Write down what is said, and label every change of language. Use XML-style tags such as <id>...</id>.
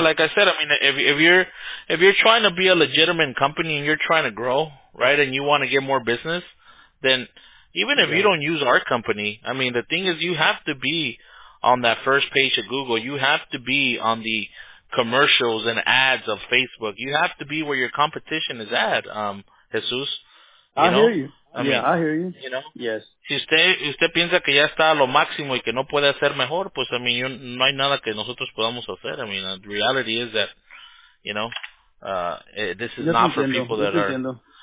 <en>If you're trying to be a legitimate company and you're trying to grow, right, and you want to get more business, then even if you don't use our company, I mean, the thing is, you have to be on that first page of Google. You have to be on the commercials and ads of Facebook. You have to be where your competition is at, Jesus. I hear you. You know? Yes.</en> <es>Si usted piensa que ya está a lo máximo y que no puede hacer mejor, pues,</es> <en>I mean,</en> <es>no hay nada que nosotros podamos hacer.</es> <en>I mean, the reality is that, you know, this is not for people that are...</en>